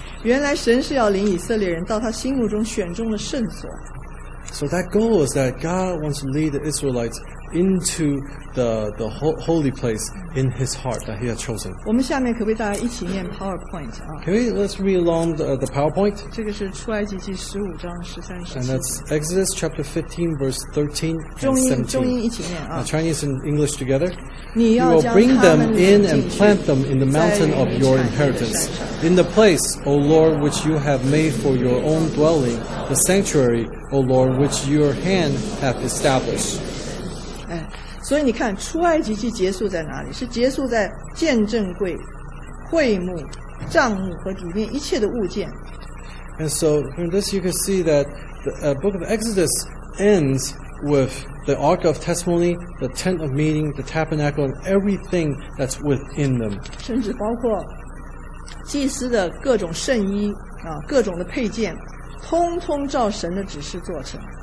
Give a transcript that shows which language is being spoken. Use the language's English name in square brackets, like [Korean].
[Chinese] 原来神是要领以色列人到他心目中选中的圣所。 [English] So that goal is that God wants to lead the Israelites into the holy place in His heart that He has chosen. [Chinese] 我们下面可不可以大家一起念 PowerPoint 啊？ [English] Can we let's read along the PowerPoint? [Chinese] 这个是出埃及记十五章十三十七。 [English] And that's Exodus chapter 15, verse 13 and [Chinese] 17. 中英一起念啊。 [English] Chinese and English together. [Chinese] 你要将 [English] You will bring them in and plant them in the mountain of your inheritance, in the place, O Lord, which you have made for your own dwelling, the sanctuary. O Lord, which your hand hath established. [Chinese] 所以你看出埃及记结束在哪里？是结束在见证柜、会幕、帐幕和里面一切的物件。 [English] And so from this you can see that the book of Exodus ends with the Ark of Testimony, the Tent of Meeting, the Tabernacle, and everything that's within them. [Chinese] 甚至包括祭司的各种圣衣、各种的配件通通照神的指示做成。